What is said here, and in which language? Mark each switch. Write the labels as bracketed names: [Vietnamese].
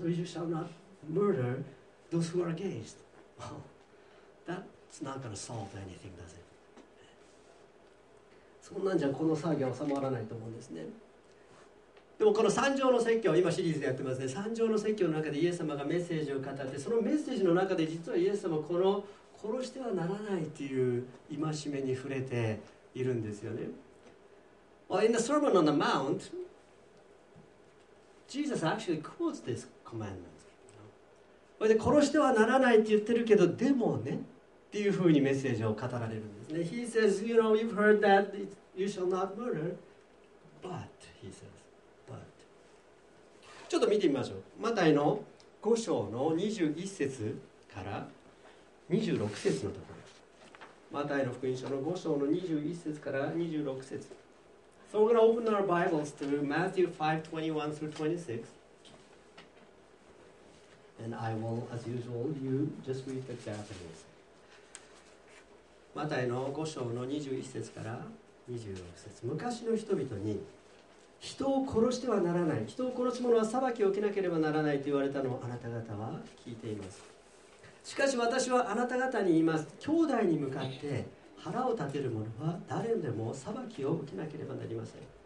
[English] You shall not murder those who are against. Well, that's not going to solve anything, does it? [Japanese] そんなんじゃこの騒ぎは収まらないと思うんですね。でもこの三条の説教、今シリーズでやってますね。三条の説教の中でイエス様がメッセージを語って、そのメッセージの中で実はイエス様はこの殺してはならないという戒めに触れているんですよね。 [English] Well, in the Sermon on the Mount, Jesus actually quotes this commandment. [Japanese] これで殺してはならないって言ってるけど、でもねっていうふうにメッセージを語られるんですね。 [English] He says, you know, you've heard that you shall not murder, but, he says, but. [Japanese] ちょっと見てみましょう。マタイの5章の21節から26節のところ。マタイの福音書の5章の21節から26節。 [English] So we're going to open our Bibles to Matthew 5:21 through 26. And I will, as usual, you just read the Japanese. [Japanese] マタイの5章の21節から26節。昔の人々に、人を殺してはならない、人を殺す者は裁きを受けなければならないと言われたのをあなた方は聞いています。しかし私はあなた方に言います。兄弟に向かって、腹を立てる者は誰でも裁きを受けなければなりません。